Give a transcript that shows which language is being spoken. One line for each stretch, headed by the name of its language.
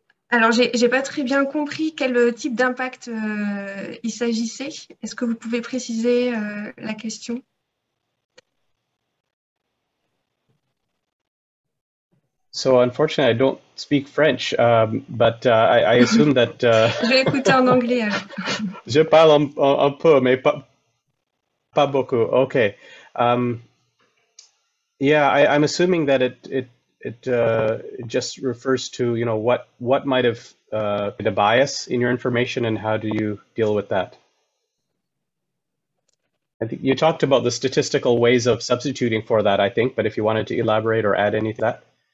French: Alors, j'ai pas très bien compris quel type d'impact il s'agissait. Est-ce que vous pouvez préciser la question?
English: So, unfortunately, I don't speak French, but I assume that...
French: Je vais écouter en anglais. Alors. Je parle un peu, mais pas beaucoup.
English: OK. I'm assuming that it just refers to, you know, what might have been a bias in your information and how do you deal with that? I think you talked about the statistical ways of substituting for that, I think, but if you wanted to elaborate or add anything to that.